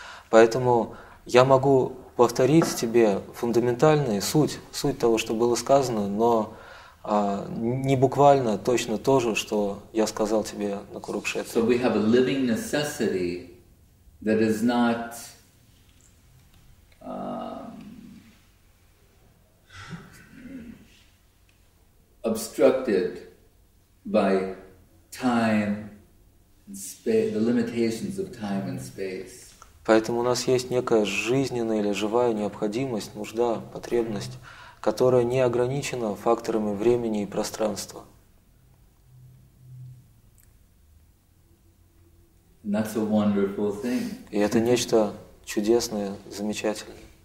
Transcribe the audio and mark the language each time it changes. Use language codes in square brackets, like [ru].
[ru] Поэтому я могу повторить тебе фундаментальную суть того, что было сказано, но не буквально точно то же, что я сказал тебе на Курукшетре. [en] So we have a living necessity that is not obstructed by time and space, the limitations of time and space. [ru] Поэтому у нас есть некая жизненная или живая необходимость, нужда, потребность, которая не ограничена факторами времени и пространства. [en] That's a wonderful thing. [ru] И это нечто чудесное, замечательное.